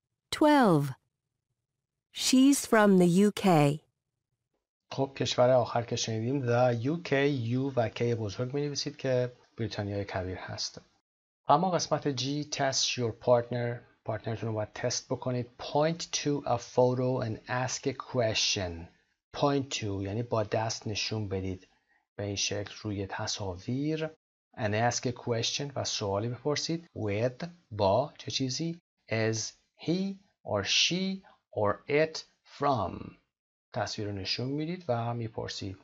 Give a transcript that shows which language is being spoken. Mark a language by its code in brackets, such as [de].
[en] 12. She's from the UK. [fa] خب کشور آخر که شنیدیم The UK، U و K بزرگ می نویسید که بریتانیای کبیر هست. اما قسمت G، [en] Test your partner. [fa] پارتنرتون رو باید تست بکنید. [en] Point to a photo and ask a question. [fa] Point to یعنی با دست نشون بدید به این شکل روی تصاویر. [en] And ask a question [fa] و سوالی بپرسید. [en] With، [fa] با چه چیزی؟ [en] Is he or she or it from. [fa] تصویر رو نشون میدید و میپرسید.